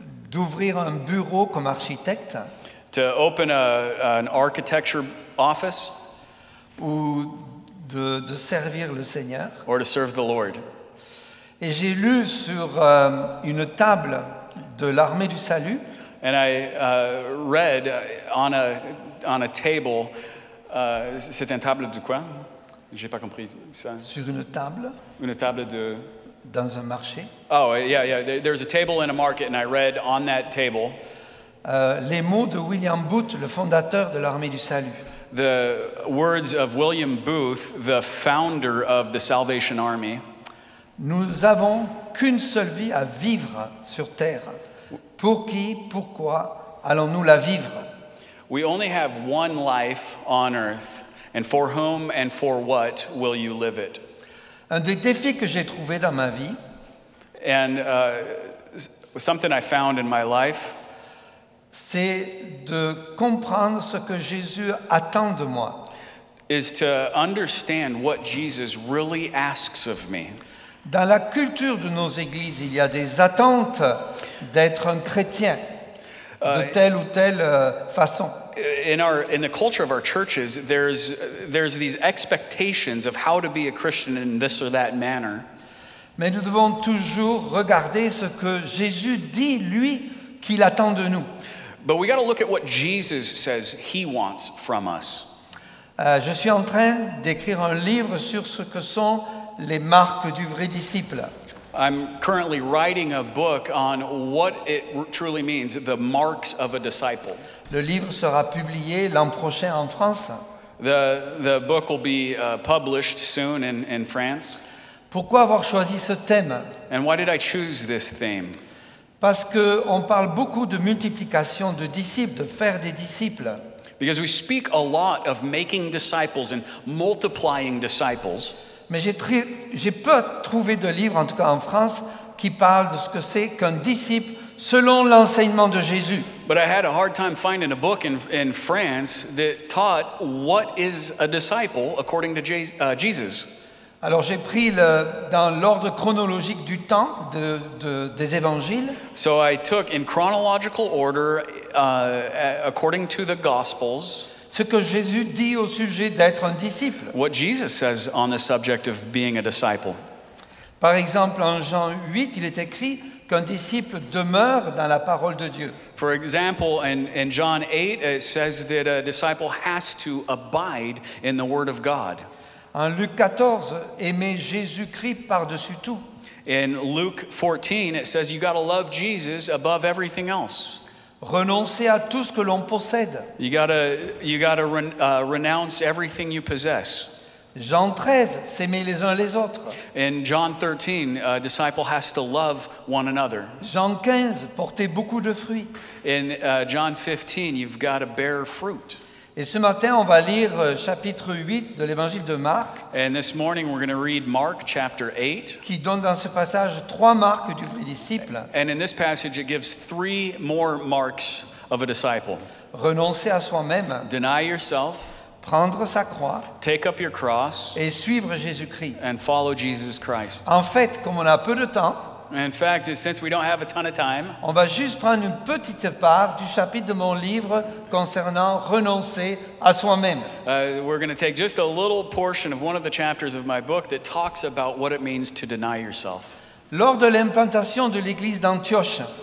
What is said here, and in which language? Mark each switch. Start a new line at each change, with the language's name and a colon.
French: d'ouvrir un bureau comme architecte,
English: to open an architecture office,
French: ou de servir le Seigneur,
English: or to serve the Lord.
French: Et j'ai lu sur une table de l'armée du salut.
English: And I read on a table.
French: C'est une table de quoi? J'ai pas compris ça. Sur une table. Une table de. Dans un marché.
English: Oh yeah, yeah. There's a table in a market, and I read on that table.
French: Les mots de William Booth, le fondateur de l'armée du salut.
English: the words of William Booth, the founder of the Salvation Army.
French: Nous avons qu'une seule vie à vivre sur terre. Pour qui, pourquoi allons-nous la vivre?
English: We only have one life on earth, and for whom and for what will you live it?
French: Un des défis que j'ai trouvé dans ma vie,
English: and something I found in my life,
French: c'est de comprendre ce que Jésus attend de moi.
English: Is to understand what Jesus really asks of me.
French: Dans la culture de nos églises, il y a des attentes d'être un chrétien de telle ou telle façon.
English: In the culture of our churches, there's these expectations of how to be a Christian in this or that manner.
French: Mais nous devons toujours regarder ce que Jésus dit, lui, qu'il attend de nous.
English: But we got to look at what Jesus says he wants from us.
French: Je suis en train d'écrire un livre sur ce que sont les marques du vrai disciple.
English: I'm currently writing a book on what it truly means, the marks of a disciple.
French: Le livre sera publié l'an prochain en France.
English: The book will be published soon in France.
French: Pourquoi avoir choisi ce thème?
English: And why did I choose this theme?
French: Parce que on parle beaucoup de multiplication de disciples, de faire des disciples.
English: Because we speak a lot of making disciples and multiplying disciples.
French: Mais j'ai peu trouvé de livres, en tout cas en France, qui parlent de ce que c'est qu'un disciple selon l'enseignement de Jésus.
English: But I had a hard time finding a book in France that taught what is a disciple according to Jesus.
French: Alors j'ai pris dans l'ordre chronologique du temps des évangiles.
English: So I took in chronological order according to the Gospels.
French: Ce que Jésus dit au sujet d'être un disciple.
English: What Jesus says on the subject of being a disciple.
French: Par exemple, en Jean 8, il est écrit qu'un disciple demeure dans la parole de Dieu.
English: For example, in John 8, it says that a disciple has to abide in the word of God.
French: En Luc 14, aimer Jésus-Christ par-dessus tout.
English: In Luke 14, it says you got to love Jesus above everything else.
French: Renoncer à tout ce que l'on possède.
English: You gotta renounce everything you possess.
French: Jean 13, s'aimer les uns les autres.
English: In John 13, a disciple has to love one another.
French: Jean 15, porter beaucoup de fruits.
English: In John 15, you've got to bear fruit.
French: Et ce matin, on va lire chapitre 8 de l'évangile de Marc.
English: And this morning, we're going to read Mark chapter 8.
French: Qui donne dans ce passage trois marques du vrai disciple.
English: And in this passage, it gives three more marks of a disciple.
French: Renoncer à soi-même.
English: Deny yourself.
French: Prendre sa croix.
English: Take up your cross.
French: Et suivre Jésus-Christ.
English: And follow Jesus Christ.
French: En fait, comme on a peu de temps,
English: in fact, since we don't have a ton of time,
French: on va juste prendre une petite part du chapitre de mon livre concernant renoncer à soi-même.
English: We're going to take just a little portion of one of the chapters of my book that talks about what it means to deny yourself.
French: Lors de l'implantation de l'église d'Antioche,